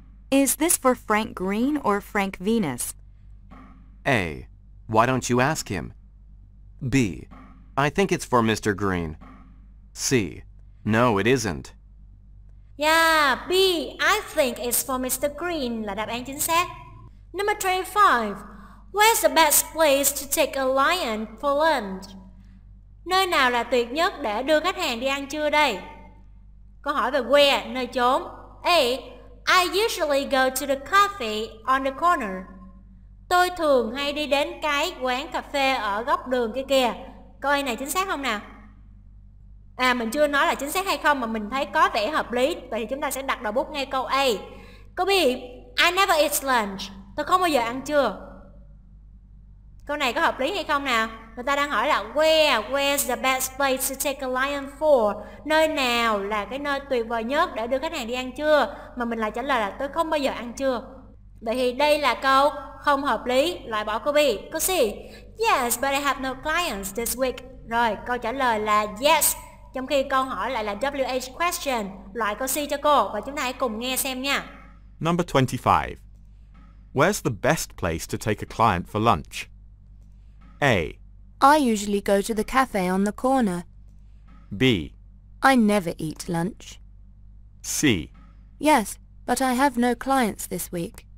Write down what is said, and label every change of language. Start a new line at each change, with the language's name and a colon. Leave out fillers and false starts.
English: Is this for Frank Green or Frank Venus? A. Why don't you ask him? B. I think it's for Mr. Green. C. No, it isn't. Yeah, B. I think it's for Mr.
Vietnamese: Green là đáp án chính xác.
English: Number 25. Where's the best place to take a lion for lunch?
Vietnamese: Nơi nào là tuyệt nhất để đưa khách hàng đi ăn trưa đây? Câu hỏi về where, nơi chốn.
English: A. I usually go to the cafe on the corner.
Vietnamese: Tôi thường hay đi đến cái quán cà phê ở góc đường kia kìa. Câu A này chính xác không nào? À, mình chưa nói là chính xác hay không mà mình thấy có vẻ hợp lý. Vậy thì chúng ta sẽ đặt đầu bút ngay câu A. Câu B.
English: I never eat lunch.
Vietnamese: Tôi không bao giờ ăn trưa. Câu này có hợp lý hay không nào? Người ta đang hỏi là
English: where's the best place to take a lion for?
Vietnamese: Nơi nào là cái nơi tuyệt vời nhất để đưa khách hàng đi ăn trưa? Mà mình lại trả lời là tôi không bao giờ ăn trưa. Vậy thì đây là câu không hợp lý, loại bỏ câu B. Câu C,
English: yes, but I have no clients this week.
Vietnamese: Rồi, câu trả lời là yes, trong khi câu hỏi lại là WH question. Loại câu C cho cô và chúng ta hãy cùng nghe xem nha.
English: Number 25. Where's the best place to take a client for lunch? A. I usually go to the cafe on the corner. B. I never eat lunch. C. Yes, but I have no clients this week.